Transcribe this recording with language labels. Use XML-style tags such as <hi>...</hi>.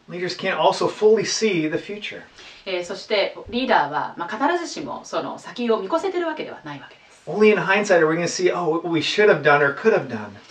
<en>Leaders can't also fully see the future.</en> <ja>そしてリーダーは、必ずしもその先を見越せてるわけではないわけです。</ja> <en>Only in hindsight are we going to see, oh, what we should have done or could have done.</en>